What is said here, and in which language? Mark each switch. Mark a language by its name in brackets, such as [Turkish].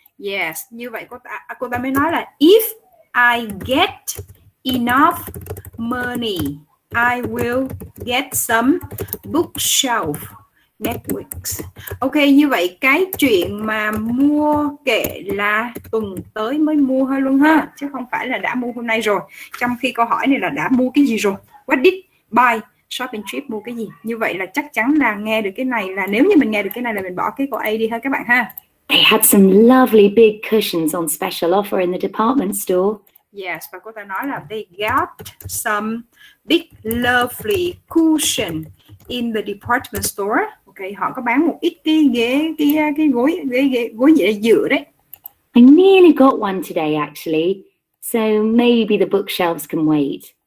[English] Yes, [Vietnamese] như vậy cô ta mới nói là [English] if I get enough money, I will get some bookshelf next week. [Vietnamese] Ok, như vậy cái chuyện mà mua kệ là tuần tới mới mua thôi luôn ha, chứ không phải là đã mua hôm nay rồi. Trong khi câu hỏi này là đã mua cái gì rồi. [English] What did buy shopping trip, [Vietnamese] mua cái gì. Như vậy là chắc chắn là nghe được cái này là, nếu như mình nghe được cái này là mình bỏ cái câu A đi thôi các bạn ha. [English] They had some lovely big cushions on special offer in the department store. Yes, [Vietnamese] và cô ta nói là [English] they got some big lovely cushion in the department store. [Vietnamese] Okay, họ có bán một ít cái gối dựa đấy. [English] I nearly got one today actually, so maybe the bookshelves can wait.